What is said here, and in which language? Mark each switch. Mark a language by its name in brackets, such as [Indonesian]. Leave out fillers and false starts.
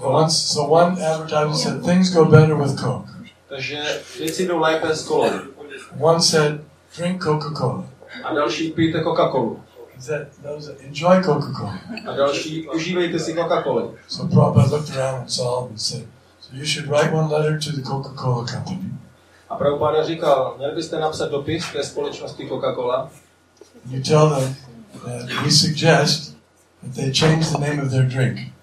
[English] So one advertiser said things go better with Coke. [Czech] Takže věci jdou lépe s Coke. [English] One said drink Coca-Cola. [Czech] A další pijte Coca-Colu. [English] Enjoy Coca-Cola. [Czech] A další užívejte si Coca-Colu. [English] So Prabhupada looked around and saw them and said, so you should write one letter to the Coca-Cola company. [Czech] A Prabhupada říkal, měl byste napsat dopis té společnosti Coca-Cola. [English] You tell them that we suggest that they change the name of their drink.